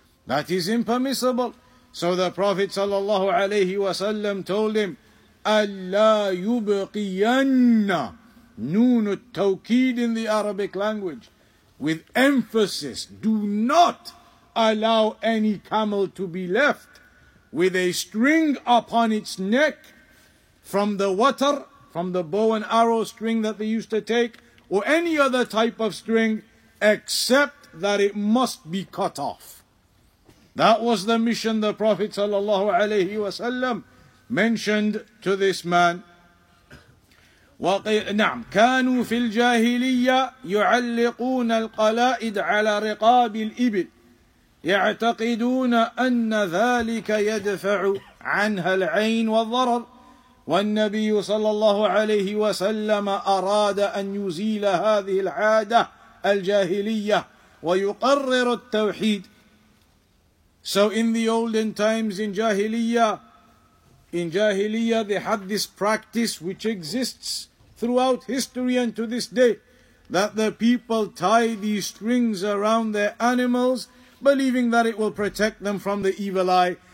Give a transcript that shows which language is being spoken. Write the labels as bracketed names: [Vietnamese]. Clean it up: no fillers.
[English] That is impermissible. So the Prophet sallallahu alaihi wasallam told him, "Allah yubqiyanna," noon at-tawkid in the Arabic language, with emphasis, do not allow any camel to be left with a string upon its neck from the water, from the bow and arrow string that they used to take, or any other type of string, except that it must be cut off. That was the mission the Prophet sallallahu alaihi wasallam mentioned to this man. [Arabic] نعم كانوا في الجاهلية يعلقون القلائد على رقاب الإبل يعتقدون أن ذلك يدفع عنها العين والضرر والنبي صلى الله عليه وسلم أراد أن يزيل هذه العادة الجاهلية ويقرر التوحيد. [English] So in the olden times, in Jahiliyyah they had this practice which exists throughout history and to this day, that the people tie these strings around their animals, believing that it will protect them from the evil eye.